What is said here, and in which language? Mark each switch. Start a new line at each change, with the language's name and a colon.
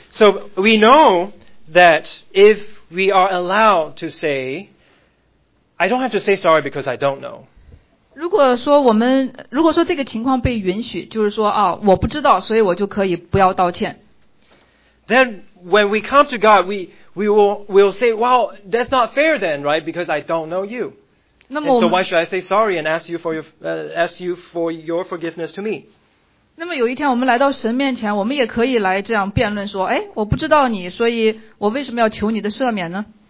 English: So we know that if we are allowed to say, I don't have to say sorry because I don't know.
Chinese: 如果说这个情况被允许，就是说啊，我不知道，所以我就可以不要道歉。
English: Then when we come to God, we'll say, well, that's not fair then, right? Because I don't know you. And so why should I say sorry and ask you for your forgiveness to me?
Chinese: 那么有一天我们来到神面前，我们也可以来这样辩论说，哎，我不知道你，所以我为什么要求你的赦免呢？